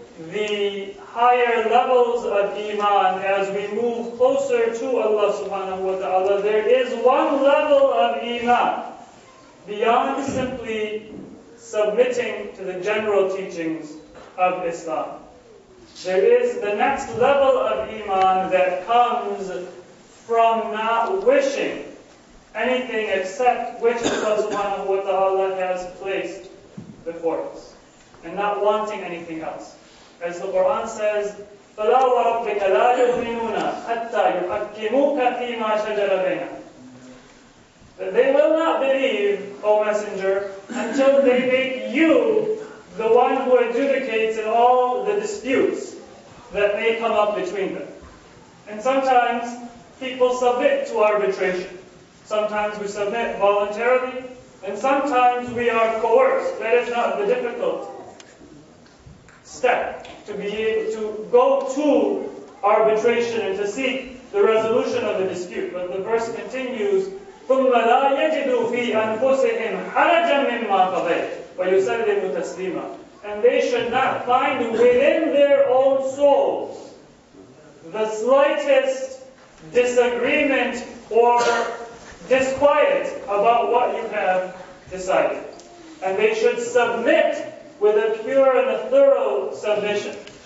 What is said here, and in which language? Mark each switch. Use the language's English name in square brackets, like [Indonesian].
[English] the higher levels of iman as we move closer to Allah subhanahu wa ta'ala, there is one level of iman beyond simply submitting to the general teachings of Islam. There is the next level of iman that comes from not wishing anything except which Allah subhanahu wa ta'ala has placed before us, and not wanting anything else. As the Quran says, [Arabic] فَلَا وَرَبِّكَ لَا يُؤْمِنُونَ حَتَّى يُحَكِّمُوكَ فِي مَا شَجَرَ بَيْنَا. [English] They will not believe, O Messenger, until they make you the one who adjudicates in all the disputes that may come up between them. And sometimes people submit to arbitration. Sometimes we submit voluntarily, and sometimes we are coerced. That is not the difficult step, to be able to go to arbitration and to seek the resolution of the dispute. But the verse continues, [Arabic] ثُمَّ لَا يَجِدُوا فِي أَنفُسِهِمْ حَرَجًا مِمَّا قَضَيْتَ وَيُسَلِّمُ تَسْلِيمًا. [English] And they should not find within their own souls the slightest disagreement or disquiet about what you have decided. And they should submit with a pure and a thorough submission.